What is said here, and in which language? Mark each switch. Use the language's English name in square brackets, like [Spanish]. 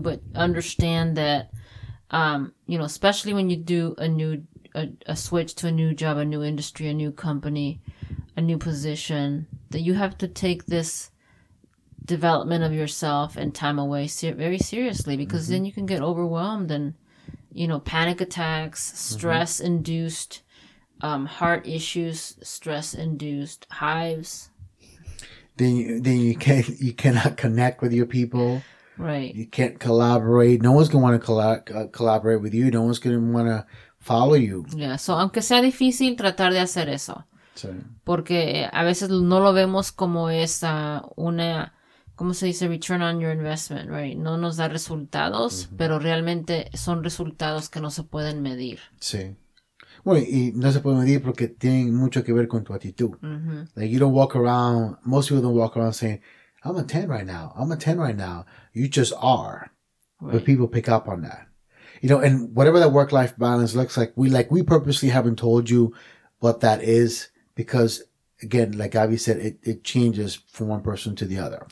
[English] But understand that, you know, especially when you do a switch to a new job, a new industry, a new company, a new position, that you have to take this development of yourself and time away very seriously, because mm-hmm. then you can get overwhelmed and, you know, panic attacks, stress-induced mm-hmm. Heart issues, stress-induced hives. Then you cannot connect with your people. Right. You can't collaborate. No one's going to want to collaborate with you. No one's going to want to follow you. [Spanish] Yeah, so aunque sea difícil, tratar de hacer eso. Sí. Porque a veces no lo vemos como es una... ¿Cómo se dice? [English] Return on your investment, right? [Spanish] No nos da resultados, [English] uh-huh. [Spanish] pero realmente son resultados que no se pueden medir. Sí. Bueno, y no se pueden medir porque tienen mucho que ver con tu actitud. Uh-huh. [English] Like, you don't walk around, most people don't walk around saying, I'm a 10 right now, I'm a 10 right now. You just are. Right. But people pick up on that. You know, and whatever that work-life balance looks like, we purposely haven't told you what that is because... Again, like Gabby said, it changes from one person to the other.